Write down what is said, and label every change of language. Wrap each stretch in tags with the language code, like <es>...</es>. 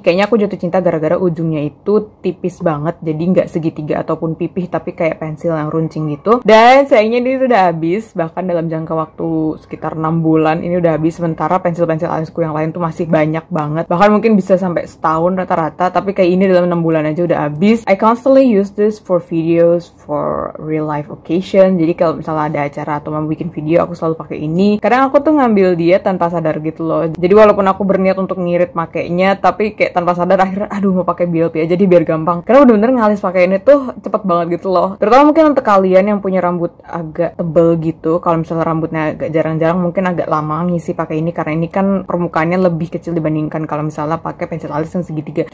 <id>Kayaknya aku jatuh cinta gara-gara ujungnya itu tipis banget, jadi nggak segitiga ataupun pipih, tapi kayak pensil yang runcing gitu. Dan sayangnya ini sudah habis, bahkan dalam jangka waktu sekitar 6 bulan ini udah habis, sementara pensil-pensil alisku yang lain tuh masih banyak banget. Bahkan mungkin bisa sampai setahun rata-rata, tapi kayak ini dalam 6 bulan aja udah habis.</id> <en>I constantly use this for videos, for real life occasion.</en> <id>Jadi kalau misalnya ada acara atau mau bikin video, aku selalu pakai ini. Kadang aku tuh ngambil dia tanpa sadar gitu loh. Jadi walaupun aku berniat untuk ngirit makainya, tapi kayak tanpa sadar akhirnya aduh mau pakai BLP aja deh biar gampang. Karena bener-bener ngalis pakai ini tuh cepet banget gitu loh. Terutama mungkin untuk kalian yang punya rambut agak tebel gitu, kalau misalnya rambutnya agak jarang-jarang mungkin agak lama ngisi pakai ini karena ini kan permukaannya lebih kecil dibandingkan kalau misalnya pakai pensil alis yang segitiga.</id>